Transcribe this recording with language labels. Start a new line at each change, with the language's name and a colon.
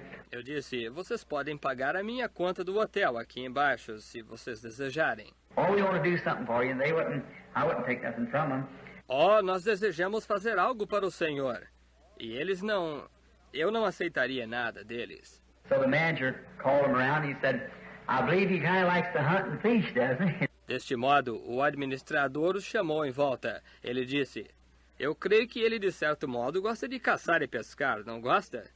Portuguese: Eu disse: Vocês podem pagar a minha conta do hotel aqui embaixo, se vocês desejarem.
English: Oh, we want to do something for you, and I wouldn't take nothing from them.
Portuguese: Oh, nós desejamos fazer algo para o Senhor, e eles não, eu não aceitaria nada deles.
English: So the manager called him around. He said, "I believe he kind of likes to hunt and fish, doesn't he?"
Portuguese: Deste modo, o administrador os chamou em volta. Ele disse, "Eu creio que ele de certo modo gosta de caçar e pescar, não gosta?"